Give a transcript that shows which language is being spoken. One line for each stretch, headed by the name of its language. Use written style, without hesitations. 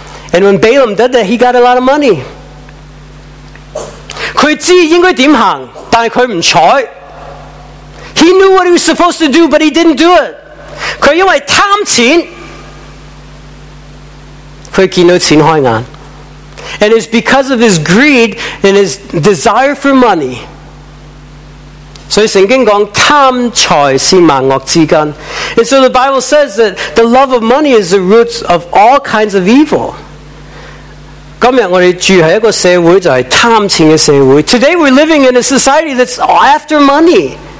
English: And when Balaam did that, he got a lot of money.
Chinese: 他知应该怎么行，但是他不采。
English: He knew what he was supposed to do, but he didn't do it.
Chinese: 他因为贪钱，他见到钱开眼。
English: And it's because of his greed and his desire for money.
Chinese: 所以圣经说，贪财是万恶之根。
English: And so the Bible says that the love of money is the root of all kinds of evil.
Chinese: 今天我们住在一个社会，就是贪钱的社会。
English: Today we're living in a society that's after money.